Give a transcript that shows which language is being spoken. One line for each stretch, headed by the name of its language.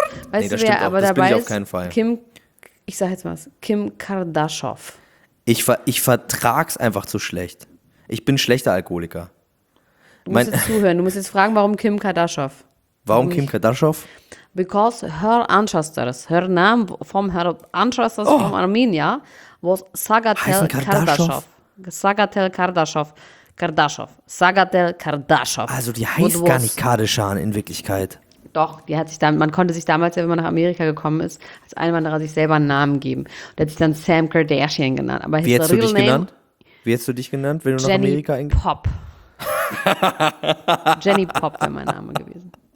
German: Weißt du, wer aber dabei ist? Das bin ich auf keinen Fall. Ich sag jetzt mal was. Kim Kardashian. Ich vertrag's einfach zu schlecht. Ich bin schlechter Alkoholiker. Du musst jetzt fragen, warum Kim Kardashian. Warum Kim Kardashian?
English: Because her ancestors, her name from her ancestors from Armenia was Sagatel Kardashian.
German: Also die heißt gar nicht Kardashian in Wirklichkeit. Doch, die hat sich dann, man konnte sich damals, wenn man nach Amerika gekommen ist, als Einwanderer sich selber einen Namen geben. Und der hat sich dann Sam Kardashian genannt. Aber wie hättest du dich genannt? Wie hättest du dich genannt, wenn du Jenny nach Amerika Jenny Pop. Jenny Pop wäre mein Name gewesen.